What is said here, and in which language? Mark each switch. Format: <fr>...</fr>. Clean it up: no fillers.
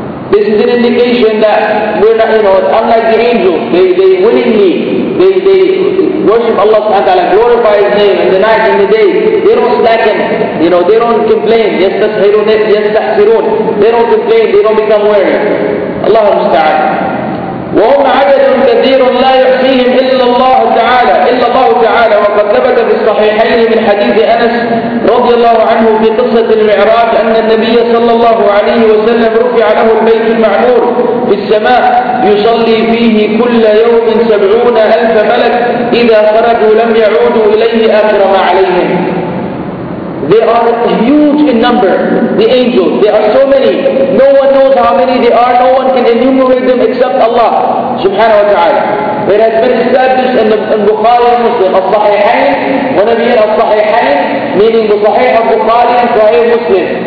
<en>This is an indication that we're not, unlike the angels, they willingly, they worship Allah subhanahu wa ta'ala, glorify His name in the night and the day. They don't slacken, they don't complain.</en> <ar>يستسحرون, يستحسرون.</ar> <en>They don't complain, they don't become weary. Allah musta'an.</en> <ar>وهم عدد كثير لا يحصيهم إلا الله تعالى وقد ثبت في الصحيحين من حديث أنس رضي الله عنه في قصة المعراج أن النبي صلى الله عليه وسلم رفع له البيت المعمور في السماء يصلي فيه كل يوم 70,000 ملك إذا خرجوا لم يعودوا إليه آخر ما عليهم.</ar> <en>They are huge in number, the angels. They are so many. No one knows how many they are. No one can enumerate them except Allah subhanahu wa ta'ala. It has been established in Bukhari and Muslim. As-Sahihain, Wanabiyyin As-Sahihain, meaning the Sahih of Bukhari and Sahih Muslim.</en>